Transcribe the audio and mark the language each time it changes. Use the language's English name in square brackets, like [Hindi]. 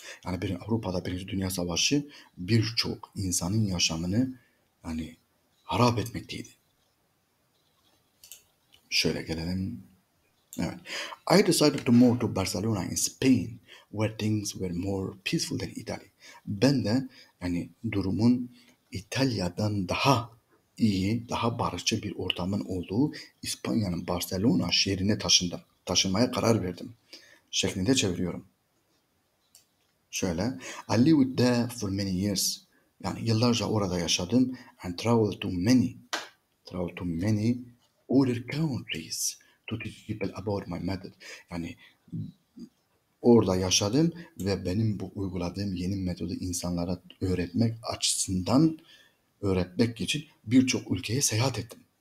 [Turkish] Yani bir Avrupa'da Birinci Dünya Savaşı birçok insanın yaşamını yani harap etmekteydi. Şöyle gelelim. Evet. [English] I decided to move to Barcelona in Spain, where things were more peaceful than Italy. [Turkish] Ben de yani durumun İtalya'dan daha iyi, daha barışçı bir ortamın olduğu İspanya'nın Barcelona şehrine taşındım. Taşınmaya karar verdim. Şeklinde çeviriyorum. Şöyle. [English] I lived there for many years. [Turkish] Yani yıllarca orada yaşadım. [English] And traveled to many other countries to teach people about my method. [Turkish] Yani orada yaşadım ve benim bu uyguladığım yeni metodu insanlara öğretmek açısından öğretmek için birçok ülkeye seyahat ettim.